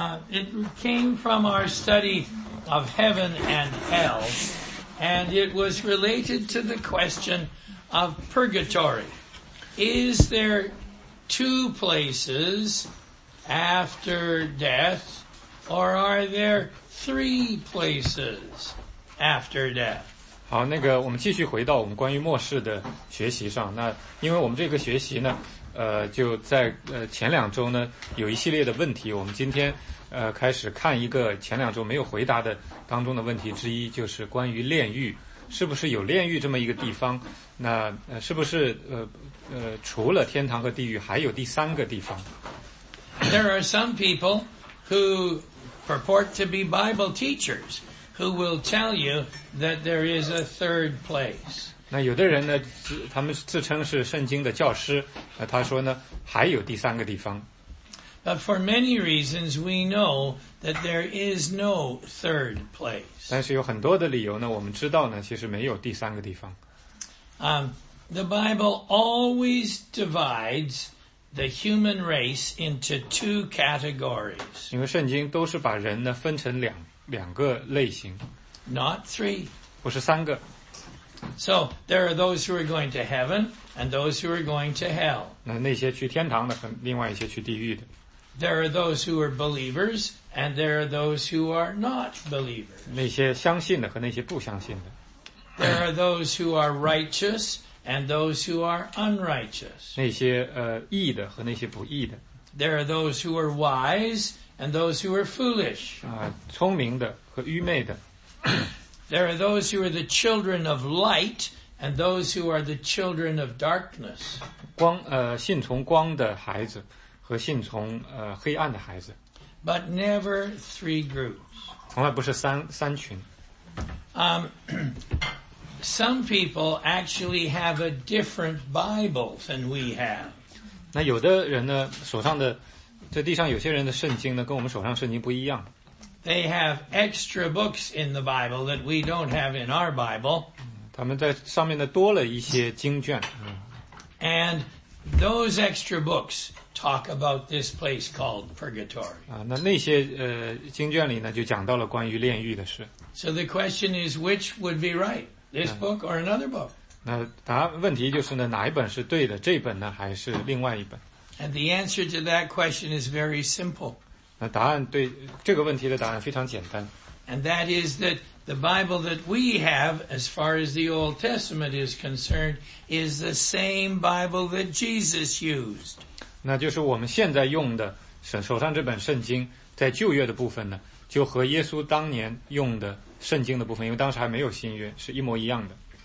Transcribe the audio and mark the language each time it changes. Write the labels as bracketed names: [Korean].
[English] It came from our study of heaven and hell, and it was related to the question of purgatory. Is there two places after death, or are there three places after death? [Chinese] 好，那个我们继续回到我们关于末世的学习上。那因为我们这个学习呢，就在前两周呢有一系列的问题，我们今天开始看一个前两周没有回答的当中的问题之一，就是关于炼狱，是不是有炼狱这么一个地方？那是不是除了天堂和地狱还有第三个地方？ [English] There are some people who purport to be Bible teachers who will tell you that there is a third place. [Chinese] 那有的人呢，他们自称是圣经的教师，那他说呢，还有第三个地方。 [English] But for many reasons, we know that there is no third place. [Chinese] 但是有很多的理由呢，我们知道呢，其实没有第三个地方。 [English] The Bible always divides the human race into two categories. [Chinese] 因为圣经都是把人呢分成两个类型， [English] not three， [Chinese] 不是三个。 [English] So there are those who are going to heaven and those who are going to hell. [Chinese] 那些去天堂的和另外一些去地狱的。 [English] There are those who are believers and there are those who are not believers. [Chinese] 那些相信的和那些不相信的。 [English] There are those who are righteous and those who are unrighteous. [Chinese] 那些义的和那些不义的。 [English] There are those who are wise and those who are foolish. [Chinese] 聪明的和愚昧的。 [English] There are those who are the children of light and those who are the children of darkness. [Chinese] 信从光的孩子和信从黑暗的孩子。 [English] But never three groups. [Chinese] 从来不是三群。 [English] Some people actually have a different Bible than we have. [Chinese] 那有的人呢，手上的这地上有些人的圣经呢，跟我们手上圣经不一样。 [English] They have extra books in the Bible that we don't have in our Bible. [Chinese] 他们在上面呢多了一些经卷。 [English] And those extra books talk about this place called purgatory. [Chinese] 那些经卷里呢就讲到了关于炼狱的事。 [English] So the question is, which would be right, this book or another book? [Chinese] 那答问题就是呢，哪一本是对的？这本呢，还是另外一本？ [English] And the answer to that question is very simple. [Chinese] 那答案对这个问题的答案非常简单。 [English] And that is that the Bible that we have, as far as the Old Testament is concerned, is the same Bible that Jesus used. [Chinese] 那就是我们现在用的手上这本圣经，在旧约的部分呢，就和耶稣当年用的圣经的部分，因为当时还没有新约，是一模一样的。